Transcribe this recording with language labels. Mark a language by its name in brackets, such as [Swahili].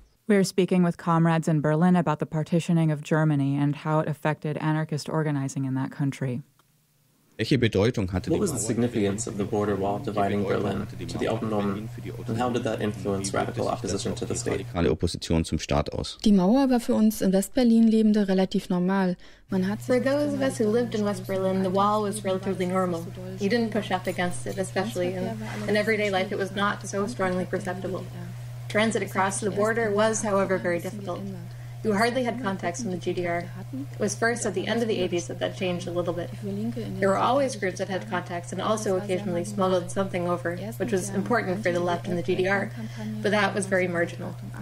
[English] We are speaking with comrades in Berlin about the partitioning of Germany and how it affected anarchist organizing in that country. What was the significance of the border wall dividing Berlin to the Autonomen, and how did that influence radical opposition to the state? [German] Radikale Opposition zum Staat aus. Die Mauer war für uns in West-Berlin Lebende relativ normal. [English] For those of us who lived in West Berlin, the wall was relatively normal. You didn't push up against it, especially in everyday life. It was not so strongly perceptible. Transit across the border was, however, very difficult. You hardly had contacts from the GDR. It was first at the end of the 80s that changed a little bit. There were always groups that had contacts and also occasionally smuggled something over, which was important for the left and the GDR, but that was very marginal.